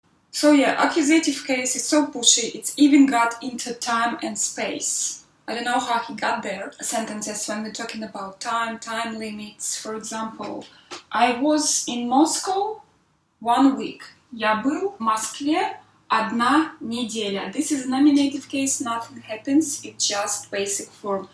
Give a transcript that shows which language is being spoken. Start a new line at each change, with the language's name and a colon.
English: So yeah, accusative case is so pushy, it's even got into time and space. I don't know how he got there. Sentences when we're talking about time, time limits. For example, I was in Moscow 1 week.
Russian: Я был в Москве одна неделя.
English: This is a nominative case, nothing happens, it's just basic form.